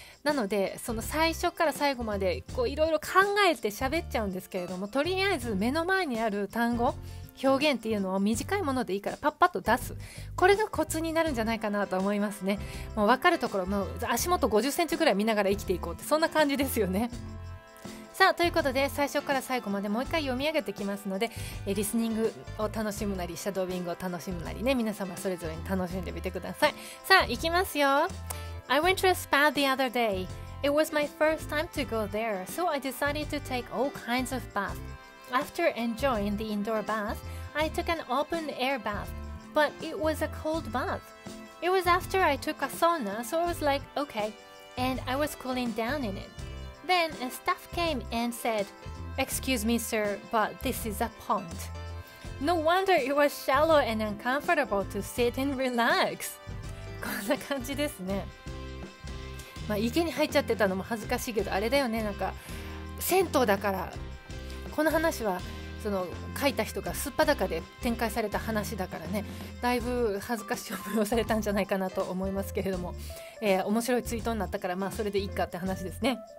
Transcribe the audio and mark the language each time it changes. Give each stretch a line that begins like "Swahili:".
Japanese: なのでその最初から最後までこういろいろ考えて喋っちゃうんですけれども、とりあえず目の前にある単語表現っていうのを短いものでいいからパッパッと出す、これがコツになるんじゃないかなと思いますね。もう分かるところの足元50センチぐらい見ながら生きていこうって、そんな感じですよね。さあということで最初から最後までもう一回読み上げてきますので、リスニングを楽しむなりシャドービングを楽しむなりね、皆様それぞれに楽しんでみてください。さあ行きますよ。
English: I went to a spa the other day. It was my first time to go there, so I decided to take all kinds of bath. After enjoying the indoor bath, I took an open air bath, but it was a cold bath. It was after I took a sauna, so I was like, okay, and I was cooling down in it. Then a staff came and said, Excuse me, sir, but this is a pond. No wonder it was shallow and uncomfortable to sit and relax.
Japanese: こんな感じですね。まあ、池に入っちゃってたのも恥ずかしいけど、あれだよね、なんか銭湯だから。この話はその書いた人が素っ裸で展開された話だからね、だいぶ恥ずかしい思いをされたんじゃないかなと思いますけれども、面白いツイートになったから、まあそれでいいかって話ですね。